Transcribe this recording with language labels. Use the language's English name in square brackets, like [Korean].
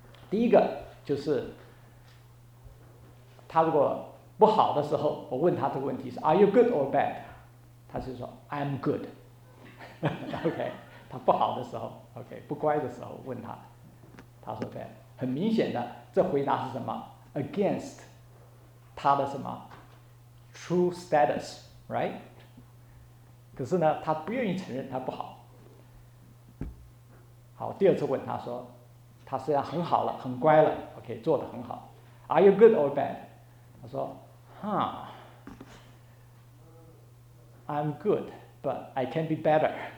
[Chinese] 第一个就是他如果不好的时候，我问他这个问题是 [English] Are you good or bad？ [Chinese] 他是说 [English] I'm good。 [Chinese] OK， 他不好的时候 OK， 不乖的时候问他，他说 bad。很明显的，这回答是什么？ [English] Against [Chinese] 他的什么 [English] True status， right？ [Chinese] 可是呢，他不愿意承认他不好。好，第二次问他说，他虽然很好了，很乖了 OK， 做得很好。 [English] Are you good or bad？ [Chinese] 他说 [English] I'm good but I can be better。